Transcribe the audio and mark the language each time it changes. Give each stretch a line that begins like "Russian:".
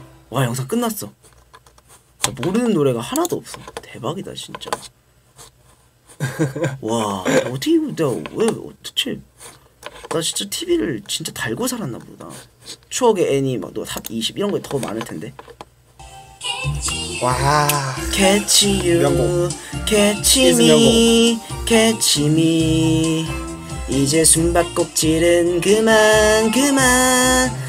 Korean: 와 영상 끝났어. 나 모르는 노래가 하나도 없어. 대박이다 진짜. 와 어떻게 내가 왜 어떻게 나 진짜 TV를 진짜 달고 살았나 보다. 추억의 애니 막 너 탑 20 이런 거 더 많을 텐데. 와
English: Catch you, catch me, catch me.
Korean: 이제 숨바꼭질은 그만 그만.